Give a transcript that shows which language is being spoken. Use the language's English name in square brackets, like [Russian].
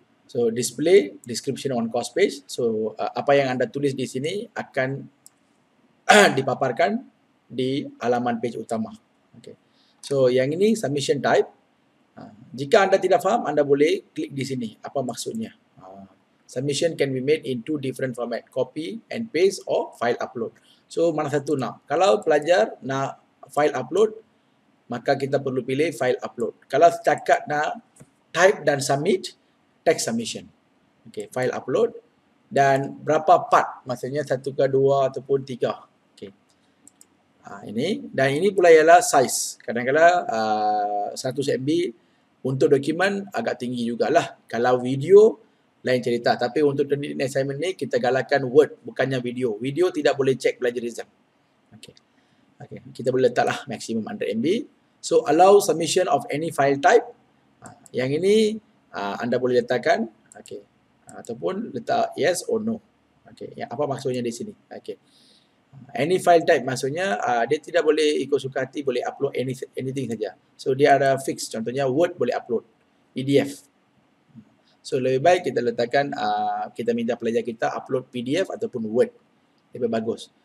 [Malay] So, [English] display description on course page. [Malay] So, apa yang anda tulis di sini akan dipaparkan di halaman page utama. Okay. So, yang ini submission type. Jika anda tidak faham, anda boleh klik di sini. Apa maksudnya? [English] Submission can be made in two different format. Copy and paste or file upload. [Malay] So, mana satu nak? Kalau pelajar nak file upload, maka kita perlu pilih file upload. Kalau setakat nak type dan submit, text submission. Okay, file upload. Dan berapa part? Maksudnya satu ke dua ataupun tiga. Okay. Ini. Dan ini pula ialah size. Kadang-kadang 100 MB untuk dokumen agak tinggi jugalah. Kalau video, lain cerita. Tapi untuk Turnitin assignment ni, kita galakkan Word, bukannya video. Video tidak boleh check plagiarism. Okay. Okay. Kita boleh letaklah maksimum 100 MB. [English] So, allow submission of any file type. [Malay] Yang ini anda boleh letakkan, okay, ataupun letak yes or no. Okay, ya, apa maksudnya di sini? Okay, any file type maksudnya dia tidak boleh ikut suka hati, boleh upload anything saja. So dia ada fix. Contohnya Word boleh upload, PDF. So lebih baik kita letakkan, kita minta pelajar kita upload PDF ataupun Word, lebih bagus.